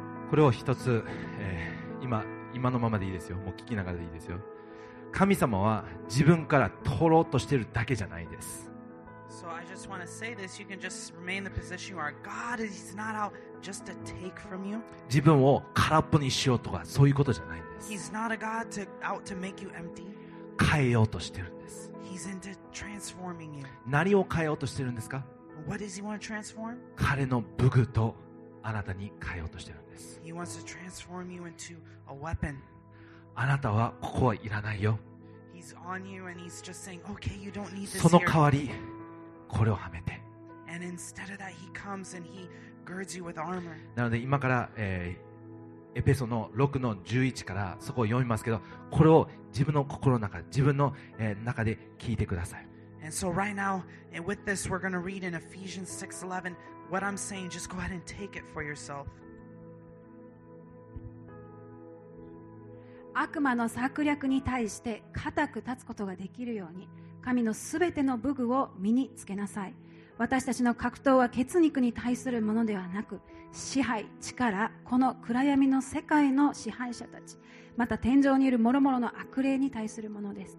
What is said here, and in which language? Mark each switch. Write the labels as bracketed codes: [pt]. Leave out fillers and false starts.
[ja] これを一つ、今のままでいいですよ。もう聞きながらでいいですよ。神様は自分から取ろうとしているだけじゃないです。 [en] So I just want to say this. You can just remain in the position you are. God is not out just to take from you. [ja] 自分を空っぽにしようとかそういうことじゃないんです。 [en] He's not a God to out to make you empty. [ja] 変えようとしているんです。 [en] He's into transforming you. [ja] 何を変えようとしてるんですか? [en] What does he want to transform? [ja] 彼の武具とあなたに変えようとしてるんです。 [en] He wants to transform you into a weapon. [ja] あなたはここはいらないよ。 [en] He's on you and he's just saying, okay, you don't need this here. [ja] その代わりこれをはめて。 [en] And instead of that, he comes and he girds you with armor. [ja] なので今から、エペソの6の11からそこを読みますけど、これを自分の心の中、自分の、中で聞いてください。 [en] And so right now, and with this, we're going to read in Ephesians 6:11. What I'm saying, just go ahead and take it for yourself. [ja] 悪魔の策略に対して固く立つことができるように、神のすべての武具を身につけなさい。私たちの格闘は血肉に対するものではなく、支配、力、この暗闇の世界の支配者たち、また天井にいる諸々の悪霊に対するものです。